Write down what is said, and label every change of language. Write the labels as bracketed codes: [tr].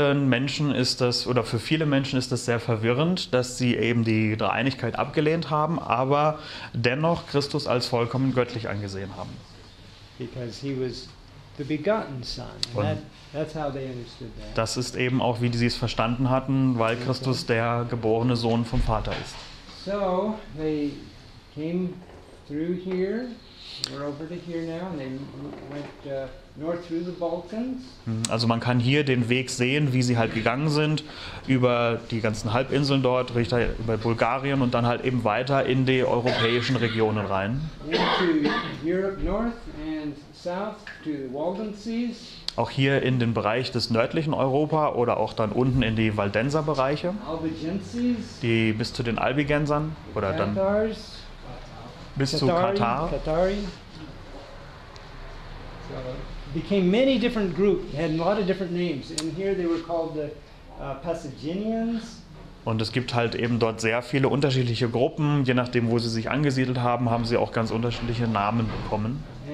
[de] Für viele Menschen ist das sehr verwirrend, dass sie eben die Dreieinigkeit abgelehnt haben, aber dennoch Christus als vollkommen göttlich angesehen haben. [en] Because he was the begotten son. That's how they understood that. [de] Das ist eben auch, wie sie es verstanden hatten, weil Christus der geborene Sohn vom Vater ist. [en] So, they came through here. We're over to here now, and then went north through the Balkans. [de] Also man kann hier den Weg sehen, wie sie halt gegangen sind über die ganzen Halbinseln dort, Richtung über Bulgarien und dann halt eben weiter in die europäischen Regionen rein. [en] Into Europe north and south to the Walden Seas. [de] Auch hier in den Bereich des nördlichen Europa oder auch dann unten in die Waldenser Bereiche, die bis zu den Albigensern oder dann bis zu Katar. [en] Became many different groups, had a lot of different names, and here they were called the Passaginians. [de] Und es gibt halt eben dort sehr viele unterschiedliche Gruppen. Je nachdem, wo sie sich angesiedelt haben, haben sie auch ganz unterschiedliche Namen bekommen.